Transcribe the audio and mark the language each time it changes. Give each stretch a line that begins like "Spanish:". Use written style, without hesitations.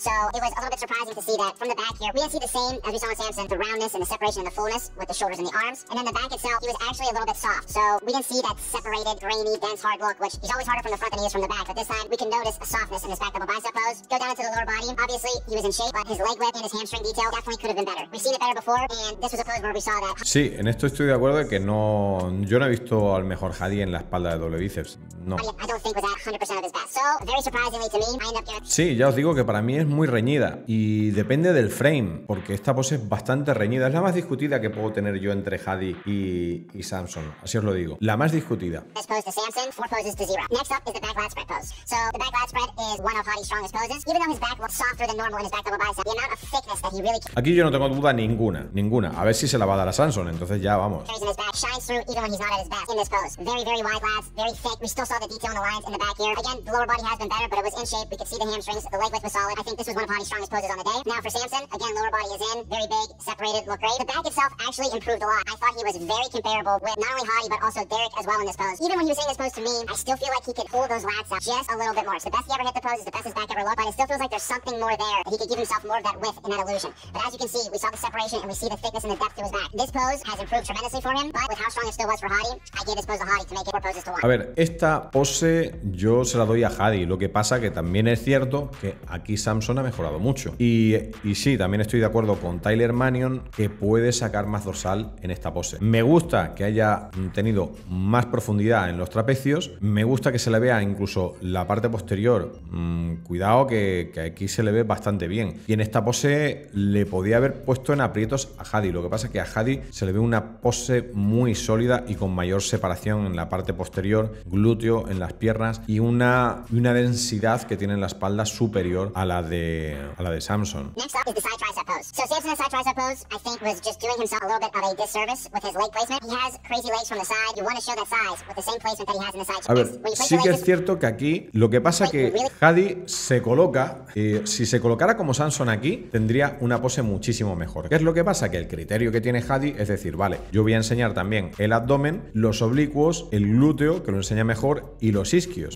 English: So it was a little bit surprising to see that from the back here, we didn't see the same as we saw in Samson, the roundness and the separation and the fullness with the shoulders and the arms. And then the back itself, he was actually a little bit soft. So we didn't see that separated, grainy, dense, hard look, which he's always harder from the front than he is from the back. But this time, we can notice a softness in his back double bicep pose. Go down into the lower body. Obviously, he was in shape, but his leg width and his hamstring detail definitely could have been better. We've seen it better before, and this was a pose where we saw that.
Spanish: Sí, en esto estoy de acuerdo que no... Yo no he visto al mejor Hadi en la espalda de doble bíceps. No.
English: I don't think was at 100% of his best. So, very surprisingly to me, I end up getting...
Spanish: Sí, ya os digo que para mí es muy reñida y depende del frame, porque esta pose es bastante reñida. Es la más discutida que puedo tener yo entre Hadi y Samson. Así os lo digo. La más discutida.
English: This pose to Samson, 4 poses to 0. Next up is the back lat spread pose. So, the back lat spread is one of Hadi's strongest poses. Even though his back looks softer than normal in his back double bicep, the amount of thickness that he really...
Spanish: Aquí yo no tengo duda ninguna, ninguna. A ver si se la va a dar a Samson, entonces ya vamos.
English: Shines through even when he's not at his best in this pose. Very, very wide lats, very thick. We still saw the detail in the lines in the back here. Again, the lower body has been better, but it was in shape. We could see the hamstrings. The leg width was solid. I think this was one of Hadi's strongest poses on the day. Now for Samson, again, lower body is in. Very big, separated, look great. The back itself actually improved a lot. I thought he was very comparable with not only Hadi, but also Derek as well in this pose. Even when he was saying this pose to me, I still feel like he could pull those lats up just a little bit more. It's the best he ever hit the pose. It's the best his back ever looked, but it still feels like there's something more there that he could give himself more of that width and that illusion. But as you can see, we saw the separation and we see the thickness and the depth to his back. This pose has improved tremendously for him, but with how strong it still was for Hadi, I gave this pose to Hadi to make it 4 poses to 1.
Spanish: A ver, esta pose yo se la doy a Hadi. Lo que pasa que también es cierto que aquí Samson ha mejorado mucho. Y sí, también estoy de acuerdo con Tyler Mannion que puede sacar más dorsal en esta pose. Me gusta que haya tenido más profundidad en los trapecios. Me gusta que se le vea incluso la parte posterior. Cuidado que aquí se le ve bastante bien. Y en esta pose le podía haber puesto en aprietos a Hadi. Lo que pasa que a Hadi se le ve una pose muy sólida y con mayor separación en la parte posterior, glúteo en las piernas y una densidad que tiene en la espalda superior a la de Samson.
English: Next up is the side tricep pose. So Samson's side tricep pose, I think, was just doing himself a little bit of a disservice with his leg placement. He has crazy legs from the side. You want to show that size with the same placement that he has in the side.
Spanish: A ver, sí que es cierto que aquí lo que pasa que Hadi se coloca, si se colocara como Samson aquí, tendría una pose muchísimo mejor. ¿Qué es lo que pasa? Que el criterio que tiene Hadi es decir, vale, yo voy a enseñar también el abdomen, los oblicuos, el glúteo, que lo enseña mejor, y los isquios.